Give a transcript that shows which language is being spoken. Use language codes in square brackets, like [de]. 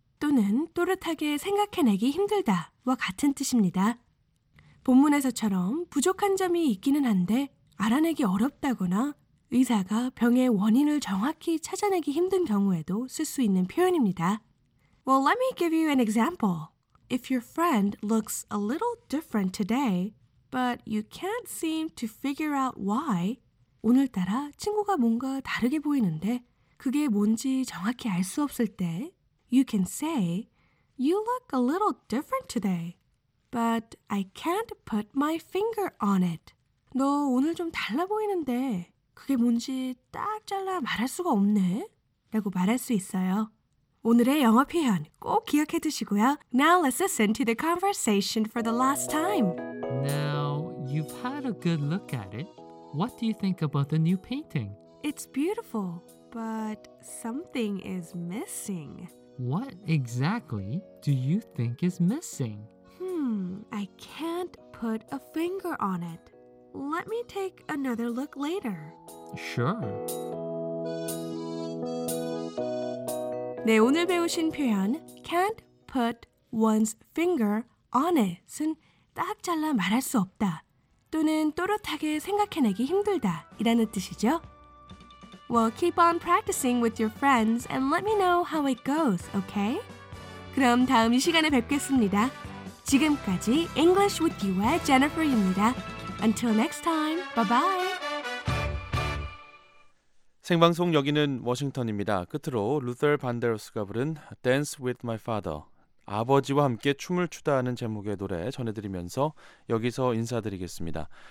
[ko] 또는 또렷하게 생각해내기 힘들다와 같은 뜻입니다. 본문에서처럼 부족한 점이 있기는 한데 알아내기 어렵다거나 의사가 병의 원인을 정확히 찾아내기 힘든 경우에도 쓸 수 있는 표현입니다. [en] Well, let me give you an example. If your friend looks a little different today, but you can't seem to figure out why, [ko] 오늘따라 친구가 뭔가 다르게 보이는데 그게 뭔지 정확히 알 수 없을 때, [en] you can say, you look a little different today, but I can't put my finger on it. [ko] 너 오늘 좀 달라 보이는데 그게 뭔지 딱 잘라 말할 수가 없네 라고 말할 수 있어요. 오늘의 영어 표현 꼭 기억해 두시고요. [en] Now let's listen to the conversation for the last time. Now, you've had a good look at it. What do you think about the new painting? It's beautiful, but something is missing. What exactly do you think is missing? I can't put a finger on it. Let me take another look later. Sure. [ko] 네, 오늘 배우신 표현 [en] can't put one's finger on it [ko] 은 딱 잘라 말할 수 없다 또는 또렷하게 생각해내기 힘들다 이라는 뜻이죠. [en] Well, keep on practicing with your friends and let me know how it goes, okay? [ko] 그럼 다음 이 시간에 뵙겠습니다. 지금까지 English with you의 Jennifer입니다. [en] Until next time, bye-bye! [ko] 생방송 여기는 워싱턴입니다. 끝으로 루터 반데로스가 부른 Dance with my father, 아버지와 함께 춤을 추다 하는 제목의 노래 전해드리면서 여기서 인사드리겠습니다.